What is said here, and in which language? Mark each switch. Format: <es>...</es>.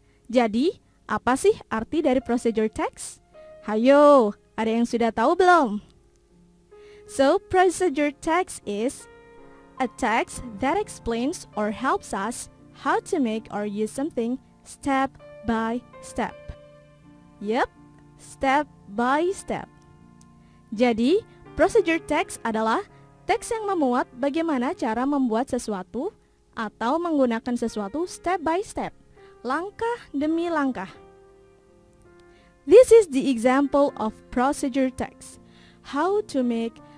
<id>Jadi, apa sih arti dari procedure text? Hayo, ada yang sudah tahu belum?</id> <en>So, procedure text is a text that explains or helps us how to make or use something step by step. Yep, step by step.</en> <id>Jadi, procedure text adalah teks yang memuat bagaimana cara membuat sesuatu atau menggunakan sesuatu</id> <en>step by step,</en> <id>langkah demi langkah.</id> <en>This is the example of procedure text. How to make</en>